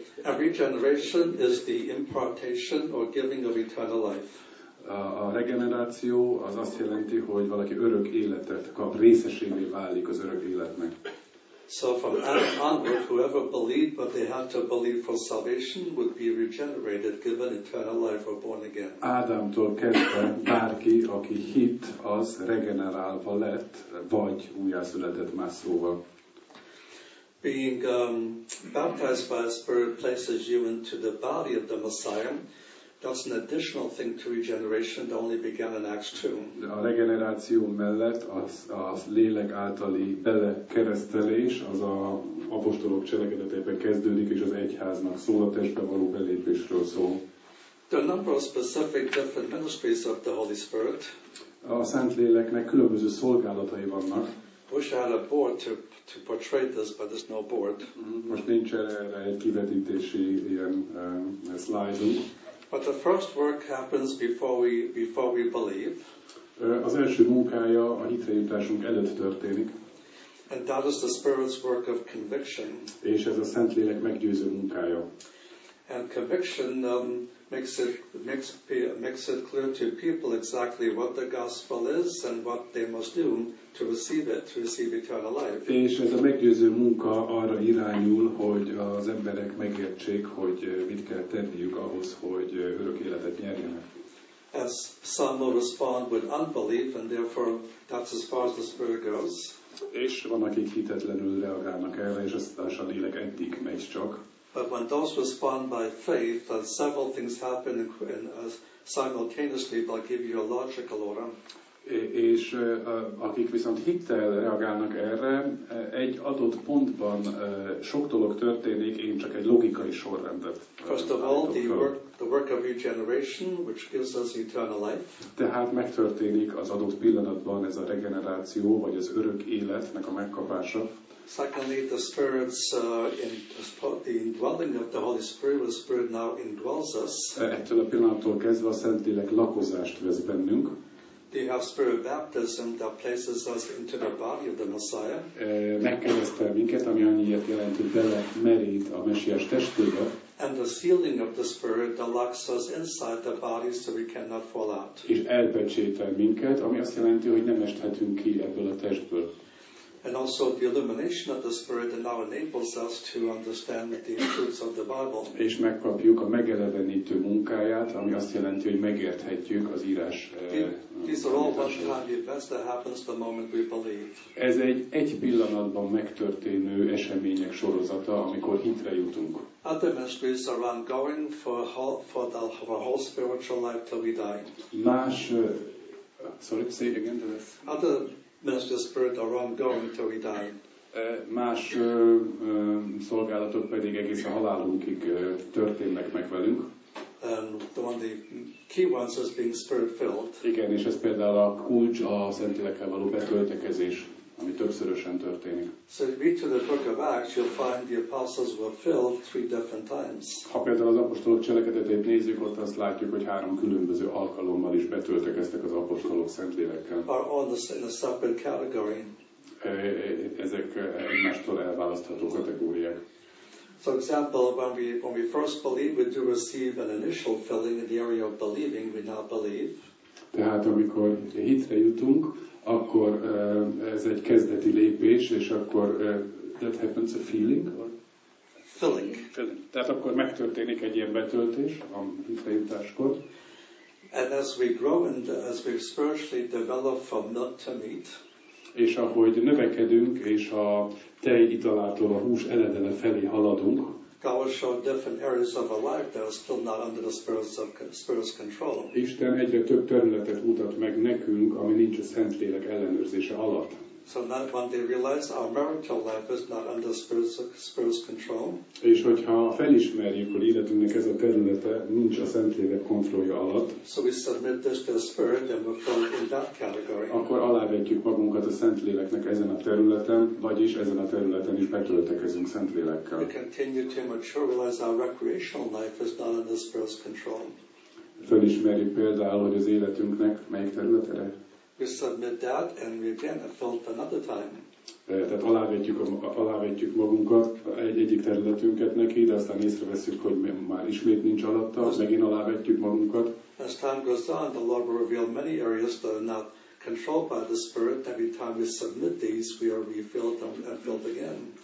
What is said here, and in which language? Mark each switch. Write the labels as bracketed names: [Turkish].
[English] A regeneration is the impartation or giving of eternal life. [Hungarian] A regeneráció az azt jelenti, hogy valaki örök életet kap, részesévé válik az örök életnek. [English] So from Adam onward, whoever believed but they had to believe for salvation would be regenerated, given eternal life or born again. [Hungarian] Ádámtól kezdve bárki, aki hitt, az regenerálva lett, vagy újjászületett más szóval. [English] Being baptized by the Spirit places you into the body of the Messiah. That's an additional thing to regeneration that only began in Acts 2. [Hungarian] A regeneráció mellett az lélek általi belekeresztelés az a apostolok cselekedeteiben kezdődik, és az egyháznak szól, a testbe való belépésről szól. [English] There are a number of specific different ministries of the Holy Spirit. [Hungarian] A Szentléleknek különböző szolgálatai vannak. [English] Bush had a board to portray this, but there's no board. [Hungarian] Most nincs erre egy kivetítési ilyen slide-unk. [English] But the first work happens before we believe. [Hungarian] Az első munkája a hitre jutásunk előtt történik. [English] And that is the Spirit's work of conviction. [Hungarian] És ez a Szentlélek meggyőző munkája. [English] And conviction makes it clear to people exactly what the gospel is and what they must do to receive it, to receive eternal life. [Hungarian] És ez a meggyőző munka arra irányul, hogy az emberek megértsék, hogy mit kell tenniük ahhoz, hogy örök életet nyerjenek. [English] As some will respond with unbelief, and therefore that's as far as the Spirit goes. [Hungarian] És van, akik hitetlenül reagálnak erre, és ezt a lélek eddig megy csak. [English] But when those respond by faith, then several things happen simultaneously, but I'll give you a logical order. [Hungarian] És akik viszont hittel reagálnak erre, egy adott pontban sok dolog történik, én csak egy logikai sorrendet. [English] First of all, the work of regeneration, which gives us eternal life. [Hungarian] Tehát megtörténik az adott pillanatban ez a regeneráció, vagy az örök életnek a megkapása. [English] Secondly, the Spirit's indwelling of the Holy Spirit, the Spirit now indwells us. [Hungarian] Ettől a pillanattól kezdve a Szentlélek lakozást vesz bennünk. [English] We have spirit baptism that places us into the body of the Messiah. [Hungarian] Megkeresztel minket, ami annyiért jelent, hogy bele merít a Mesiás testébe. [English] And the sealing of the Spirit that locks us inside the body so we cannot fall out. [Hungarian] És elpecsétel minket, ami azt jelenti, hogy nem esthetünk ki ebből a testből. [English] And also the illumination of the Spirit that now enables us to understand the truths of the Bible. [Hungarian] És megkapjuk a megelevenítő munkáját, ami azt jelenti, hogy megérthetjük az írás. [English] These are all one-time events that happens the moment we believe. [Hungarian] Ez egy pillanatban megtörténő események sorozata, amikor hitre jutunk. [English] Other mysteries are ongoing for our whole spiritual life till we die. [Hungarian] Más, [English] sorry, say it again, Dennis. Master Spirit are ongoing till we die. [Hungarian] Más szolgálatok pedig egész a halálunkig történnek meg velünk. [English] The key ones is being spirit filled. [Hungarian] Igen, és ez például a kulcs a Szentlélekkel való betöltekezés, ami többszörösen történik. [English] So if you read to the book of Acts, you'll find the apostles were filled three different times. [Hungarian] Ha például az apostolok cselekedetét nézzük, ott azt látjuk, hogy három különböző alkalommal is betöltekeztek az apostolok Szentlélekkel. [English] Are all in a separate category. [Hungarian] Ezek egymástól elválasztható kategóriák. [English] So example, when we first believe, we do receive an initial filling in the area of believing, we now believe. [Hungarian] Tehát amikor hitre jutunk, akkor ez egy kezdeti lépés, és akkor [English] that happens a feeling? Or? Filling. [Hungarian] Tehát akkor megtörténik egy ilyen betöltés a hitre jutáskor. [English] And as we grow and as we spiritually develop from milk to meat. [Hungarian] És ahogy növekedünk, és a tej italától a hús eledele felé haladunk, [English] God will show different areas of our life that are still not under the Spirit's control. [Hungarian] Isten egyre több területet mutat meg nekünk, ami nincs a Szentlélek ellenőrzése alatt. [English] So that when they realize our marital life is not under Spirit's control. [Hungarian] És hogyha felismerjük, hogy életünknek ez a területe nincs a Szentlélek kontrollja alatt, [English] so we submit this to the Spirit and we're filled in that category. [Hungarian] Akkor alávetjük magunkat a Szentléleknek ezen a területen, vagyis ezen a területen is betöltekezünk Szentlélekkel. [English] We continue to mature, realize our recreational life is not under Spirit's control. [Hungarian] Felismerjük például, hogy az életünknek melyik területre? [English] We submit that, and we again are filled another time. [Hungarian] Tehát alávetjük magunkat egyik területünket neki, de aztán észreveszünk, hogy már ismét nincs alatta, megint alávetjük magunkat. [English] As time goes on, the Lord will reveal many areas that are not controlled by the Spirit. Every time we submit these, we are refilled and filled again.